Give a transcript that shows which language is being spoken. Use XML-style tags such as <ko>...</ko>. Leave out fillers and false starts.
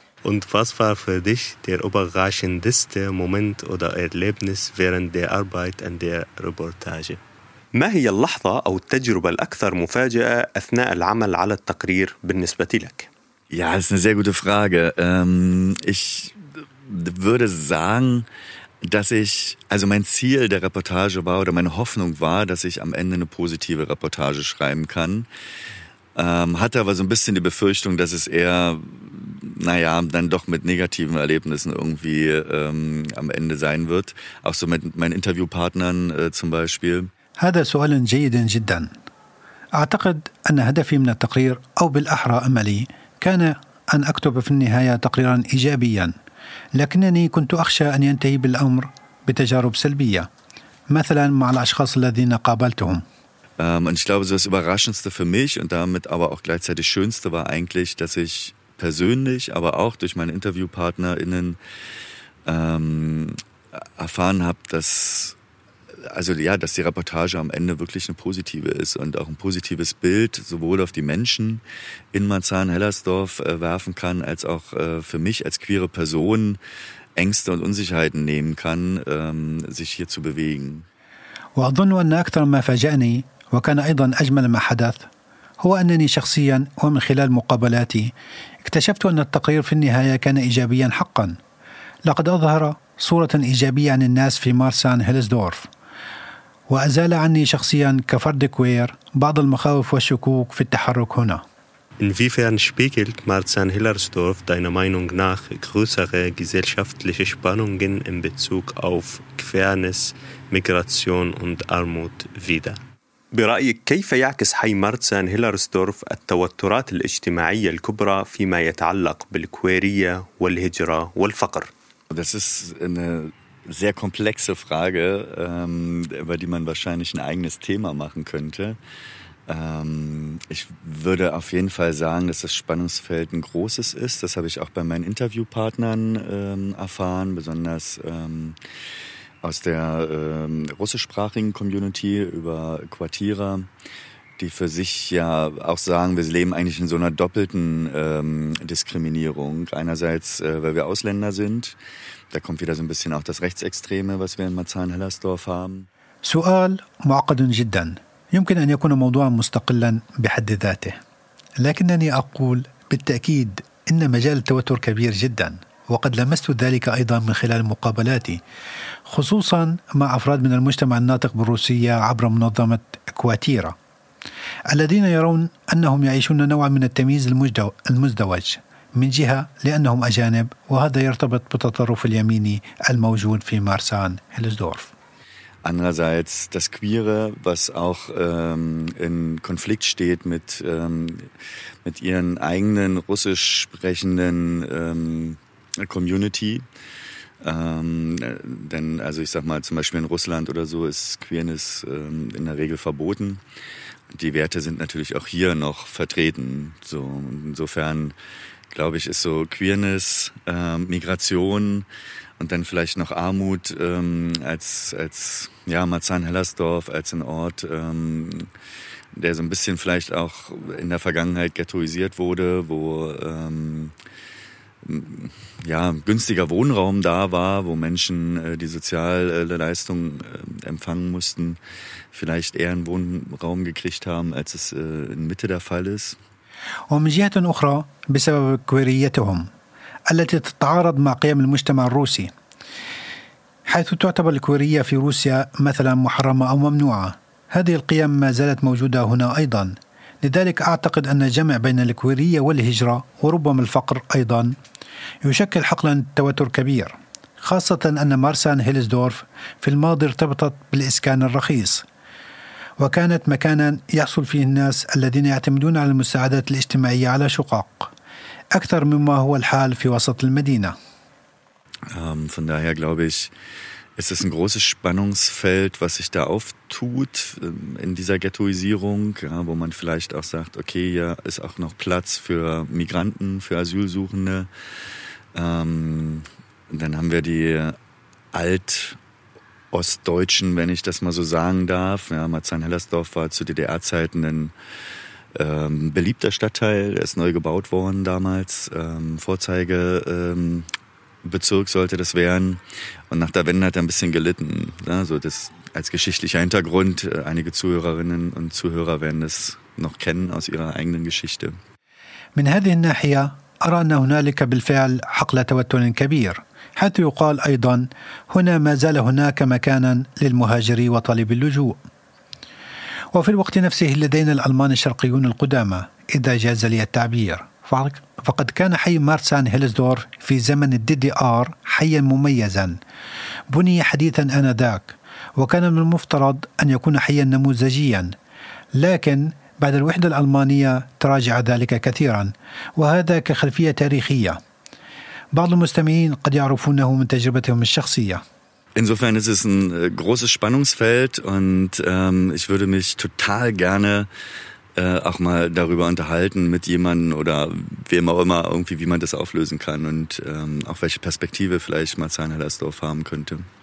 <de>Und was war für dich der überraschendste Moment oder Erlebnis während der Arbeit an der Reportage؟</de> <ar>ما هي اللحظة أو التجربة الأكثر مفاجأة أثناء العمل على التقرير بالنسبة لك؟</ar> <de>Ja, das ist eine sehr gute Frage. Ich würde sagen, dass ich, also mein Ziel der Reportage war oder meine Hoffnung war, dass ich am Ende eine positive Reportage schreiben kann. Hatte aber so ein bisschen die Befürchtung, dass es eher, naja, dann doch mit negativen Erlebnissen irgendwie am Ende sein wird. Auch so mit meinen Interviewpartnern zum Beispiel.</de> <ar>هذا سؤال جيد جدا. أعتقد أن هدفي من التقرير أو بالأحرى أملي كان أن أكتب في النهاية تقريرا إيجابيا، لكنني كنت أخشى أن ينتهي بالأمر بتجارب سلبية مثلا مع الأشخاص الذين قابلتهم.</ar> <de>Und ich glaube, so das Überraschendste für mich und damit aber auch gleichzeitig Schönste war eigentlich, dass ich persönlich, aber auch durch meine InterviewpartnerInnen erfahren habe, dass, also ja, dass die Reportage am Ende wirklich eine positive ist und auch ein positives Bild sowohl auf die Menschen in Marzahn-Hellersdorf werfen kann, als auch für mich als queere Person Ängste und Unsicherheiten nehmen kann, sich hier zu bewegen.</de> <ar>وأظن أن أكثر ما فاجأني وكان أيضا أجمل ما حدث هو أنني شخصيا ومن خلال مقابلاتي اكتشفت أن التقرير في النهاية كان إيجابيا حقا. لقد أظهر صورة إيجابية عن الناس في مارسان هيلسدورف وأزال عني شخصيا كفرد كوير بعض المخاوف والشكوك في التحرك هنا.</ar> <de>Inwiefern spiegelt Marzahn-Hellersdorf deiner Meinung nach größere gesellschaftliche Spannungen in Bezug auf Queerness, Migration und Armut wider?</de> <ar>برأيك كيف يعكس حي مرسان هيلرسدورف التوترات الاجتماعية الكبرى فيما يتعلق بالكويرية والهجرة والفقر؟</ar> <de>Das ist eine sehr komplexe Frage, über die man wahrscheinlich ein eigenes Thema machen könnte. Ich würde auf jeden Fall sagen, dass das Spannungsfeld ein großes ist. Das habe ich auch bei meinen Interviewpartnern erfahren, besonders aus der russischsprachigen Community über Quartierer, die für sich ja auch sagen, wir leben eigentlich in so einer doppelten Diskriminierung. Einerseits, weil wir Ausländer sind. Da kommt wieder so ein bisschen auch das Rechtsextreme, was wir in Marzahn-Hellersdorf haben.</de> <ar>سؤال معقد جدا. يمكن أن يكون موضوعا مستقلا بحد ذاته. لكنني أقول بالتأكيد إن مجال التوتر كبير جدا. وقد لمست ذلك أيضا من خلال مقابلاتي خصوصا مع أفراد من المجتمع الناطق بالروسية عبر منظمة كواتيرا الذين يرون أنهم يعيشون نوعا من التمييز المزدوج من جهة لأنهم أجانب وهذا يرتبط بالتطرف اليميني الموجود في مارسان هيلسدورف</ar> <de>Andererseits das Queere, was auch in Konflikt steht mit ihren eigenen russisch sprechenden Community, denn also ich sag mal zum Beispiel in Russland oder so ist Queerness in der Regel verboten. Die Werte sind natürlich auch hier noch vertreten. So insofern glaube ich ist so Queerness, Migration und dann vielleicht noch Armut als ja Marzahn-Hellersdorf als ein Ort, der so ein bisschen vielleicht auch in der Vergangenheit ghettoisiert wurde, wo ja, günstiger Wohnraum da war, wo Menschen die Sozialleistung empfangen mussten, vielleicht eher einen Wohnraum gekriegt haben, als es in Mitte der Fall ist.</de> <ar>ومن جهة أخرى بسبب كويريتهم التي تتعارض مع قيم المجتمع الروسي حيث تعتبر الكويرية في روسيا مثلا محرمة أو ممنوعة هذه القيم ما زالت موجودة هنا أيضا لذلك أعتقد أن الجمع بين الكويرية والهجرة وربما الفقر أيضا يشكل حقلا التوتر كبير خاصة أن مارسان هيلسدورف في الماضي ارتبطت بالإسكان الرخيص وكانت مكانا يحصل فيه الناس الذين يعتمدون على المساعدات الاجتماعية على شقق أكثر مما هو الحال في وسط المدينة</ar> <de>Von daher glaube ich, ist es ein großes Spannungsfeld, was sich da auftut in dieser Ghettoisierung, ja, wo man vielleicht auch sagt, okay, hier ist auch noch Platz für Migranten, für Asylsuchende. Dann haben wir die Alt-Ostdeutschen, wenn ich das mal so sagen darf. Ja, Marzahn-Hellersdorf war zu DDR-Zeiten ein beliebter Stadtteil, der ist neu gebaut worden damals, Vorzeige. Bezirk sollte das werden. Und nach der Wende hat er ein bisschen gelitten. Ja, so das als geschichtlicher Hintergrund. Einige Zuhörerinnen und Zuhörer werden es noch kennen aus ihrer eigenen Geschichte.</de> <ar>من هذه الناحية أرى أن هنالك بالفعل حقل توتر كبير. حيث يقال أيضا هنا ما زال هناك مكانا للمهاجري وطالب اللجوء. وفي الوقت نفسه لدينا الألمان الشرقيون القدامى إذا جاز لي التعبير. فقد كان حي مارسان هيلسدورف في زمن الدي دي آر حيا مميزا بني حديثا آنذاك وكان من المفترض أن يكون حيا نموذجيا لكن بعد الوحدة الألمانية تراجع ذلك كثيرا وهذا كخلفية تاريخية بعض المستمعين قد يعرفونه من تجربتهم الشخصية</ar> <de>Insofern ist es ein großes Spannungsfeld und ich würde mich total gerne auch mal darüber unterhalten mit jemandem oder wem auch immer irgendwie, wie man das auflösen kann und auch welche Perspektive vielleicht Marzahn-Hellersdorf haben könnte.</de>